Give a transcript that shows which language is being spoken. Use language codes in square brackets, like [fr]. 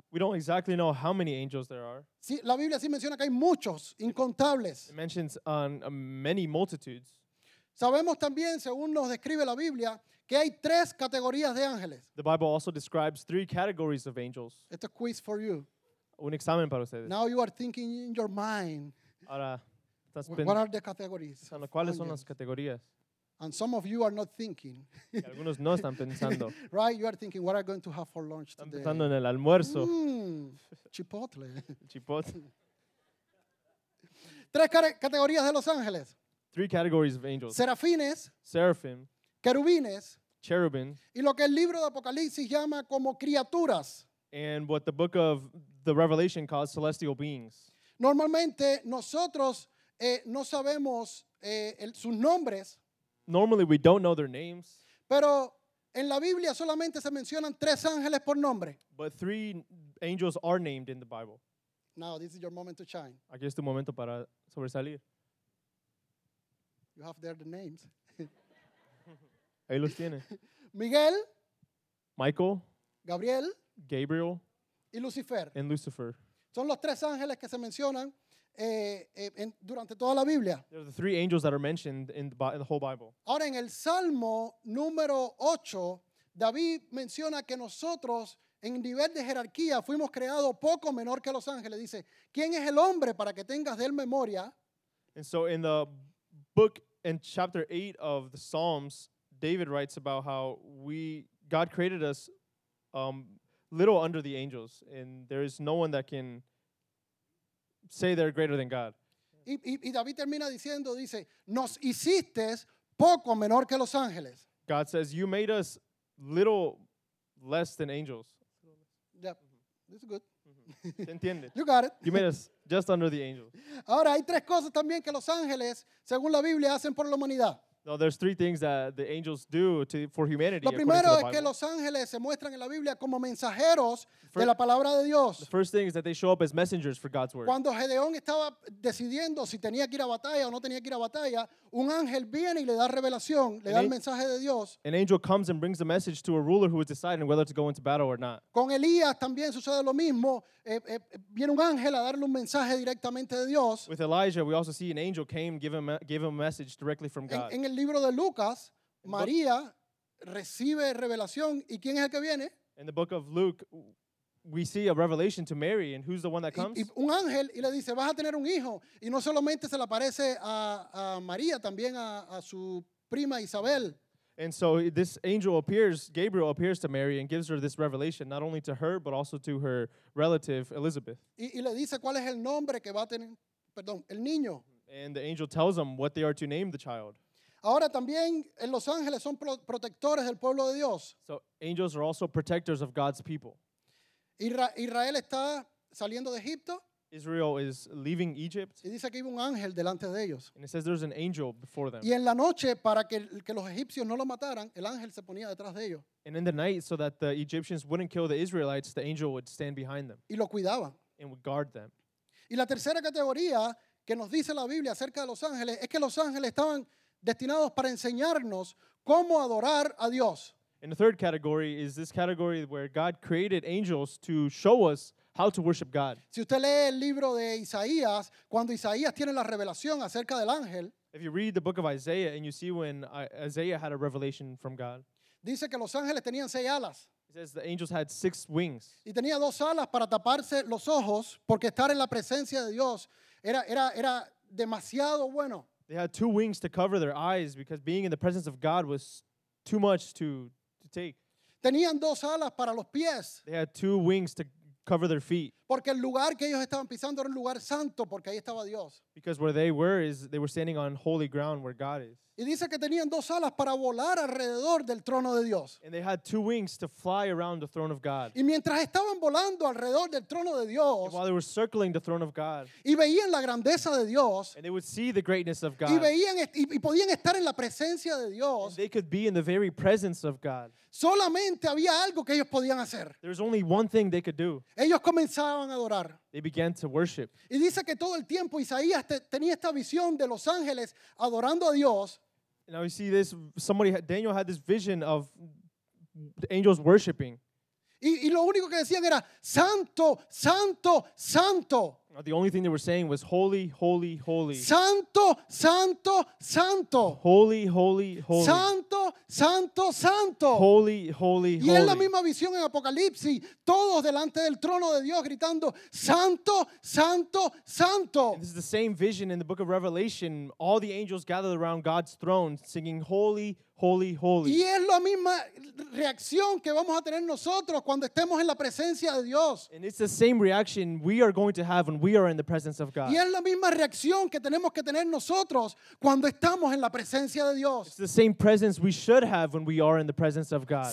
[en] We don't exactly know how many angels there are. [es] Sí, la Biblia sí menciona que hay muchos, incontables. [en] It mentions many multitudes. [es] Sabemos también, según nos describe la Biblia, que hay tres categorías de ángeles. [en] The Bible also describes three categories of angels. Este quiz for you. [es] Un examen para ustedes. [en] Now you are thinking in your mind. [es] Ahora, [en] what are the categories? [es] ¿Cuáles son las categorías? [en] And some of you are not thinking. [es] Algunos no están pensando. [en] Right, you are thinking, what are you going to have for lunch today? [es] Están pensando en el almuerzo. [en] Chipotle. [es] Chipotle. Tres categorías de los ángeles. [en] Three categories of angels. [es] Serafines. [en] Seraphim. [es] querubines. [en] Cherubim. [es] Y lo que el libro de Apocalipsis llama como criaturas. [en] And what the book of the Revelation calls celestial beings. [es] Normalmente nosotros no sabemos sus nombres. [en] Normally we don't know their names. [es] Pero en la Biblia solamente se mencionan tres ángeles por nombre. [en] But three angels are named in the Bible. Now this is your moment to shine. [es] Aquí es tu momento para sobresalir. [en] You have there the names. [es] Ahí los tiene. Miguel. [en] Michael. [es] Gabriel. [en] Gabriel. [es] Y Lucifer. [en] And Lucifer. [es] Son los tres ángeles que se mencionan durante toda la Biblia. [en] They're the three angels that are mentioned in the whole Bible. [es] Ahora en el Salmo número 8, David menciona que nosotros en nivel de jerarquía fuimos creados poco menor que los ángeles. Dice, ¿quién es el hombre para que tengas de él memoria? [en] And so in the book, in chapter 8 of the Psalms, David writes about how God created us little under the angels, and there is no one that can say they're greater than God. [es] Y David termina diciendo, dice, nos hiciste poco menor que los ángeles. [en] God says, you made us little less than angels. Yeah, this is good. [es] ¿Se entiende? [en] You got it. You made us just under the angels. [es] Ahora, hay tres cosas también que los ángeles, según la Biblia, hacen por la humanidad. [en] No, there's three things that the angels do for humanity. [es] Lo primero [en] to the [es] es que los ángeles se muestran en la Biblia como mensajeros de la palabra de Dios. [en] The first thing is that they show up as messengers for God's word. [es] Cuando Gedeón estaba decidiendo si tenía que ir a batalla o no tenía que ir a batalla, un ángel viene y le da revelación, le da el mensaje de Dios. [en] An angel comes and brings a message to a ruler who is deciding whether to go into battle or not. [es] Con Elías también sucede lo mismo. Viene un ángel a darle un mensaje directamente de Dios. [en] With Elijah, we also see an angel came, gave him a message directly from God. [es] En el libro de Lucas, María recibe revelación. ¿Y quién es el que viene? [en] In the book of Luke, we see a revelation to Mary, and who's the one that comes? [es] Y un ángel, y le dice, vas a tener un hijo. Y no solamente se le aparece a María, también a su prima Isabel. [en] And so this angel appears, Gabriel appears to Mary and gives her this revelation, not only to her, but also to her relative, Elizabeth. [es] Y le dice cuál es el nombre que va a tener, perdón, el niño. [en] And the angel tells them what they are to name the child. [es] Ahora también los ángeles son protectores del pueblo de Dios. [en] So angels are also protectors of God's people. [es] Israel está saliendo de Egipto. [en] Israel is leaving Egypt. [es] Y dice que iba un ángel delante de ellos. [en] And it says there's an angel before them. [es] Y en la noche, para que los egipcios no lo mataran, el ángel se ponía detrás de ellos. [en] And in the night, so that the Egyptians wouldn't kill the Israelites, the angel would stand behind them. [es] Y lo cuidaba. [en] And would guard them. [es] Y la tercera categoría que nos dice la Biblia acerca de los ángeles es que los ángeles estaban destinados para enseñarnos cómo adorar a Dios. [en] And the third category is this category where God created angels to show us how to worship God. [es] Si usted lee el libro de Isaías, cuando Isaías tiene la revelación acerca del ángel, [en] if you read the book of Isaiah and you see when Isaiah had a revelation from God, [es] dice que los ángeles tenían seis alas. [en] It says the angels had six wings. [es] Y tenía dos alas para taparse los ojos, porque estar en la presencia de Dios era demasiado bueno. [en] They had two wings to cover their eyes because being in the presence of God was too much to take. [es] Tenían dos alas para los pies. [en] They had two wings to cover their feet. [es] Porque el lugar que ellos estaban pisando era un lugar santo, porque ahí estaba Dios. [en] Because where they were is they were standing on holy ground where God is. [es] Y dice que tenían dos alas para volar alrededor del trono de Dios. [en] And they had two wings to fly around the throne of God. [es] Y mientras estaban volando alrededor del trono de Dios, [en] and while they were circling the throne of God, [es] y veían la grandeza de Dios, [en] and they would see the greatness of God, [es] y veían y podían estar en la presencia de Dios, [en] and they could be in the very presence of God. [es] Solamente había algo que ellos podían hacer. [en] There's only one thing they could do. [es] Ellos comenzaban a adorar. [en] They began to worship. [es] Y dice que todo el tiempo Isaías tenía esta visión de los ángeles adorando a Dios. [en] Now you see this, Daniel had this vision of the angels worshiping. [es] Y lo único que decían era, santo, santo, santo. [en] The only thing they were saying was, holy, holy, holy. [es] Santo, santo, santo. [en] Holy, holy, holy. [es] Santo, santo, santo. [en] Holy, holy, holy. [es] Y es la misma visión en Apocalipsis, todos delante del trono de Dios gritando, santo, santo, santo. [en] And this is the same vision in the book of Revelation, all the angels gathered around God's throne singing, holy, holy, holy. [es] Y es la misma reacción que vamos a tener nosotros cuando estemos en la presencia de Dios. [en] And it's the same reaction we are going to have when we are in the presence of God. [es] Y es la misma reacción que tenemos que tener nosotros cuando estamos en la presencia de Dios. [en] It's the same presence we should have when we are in the presence of God.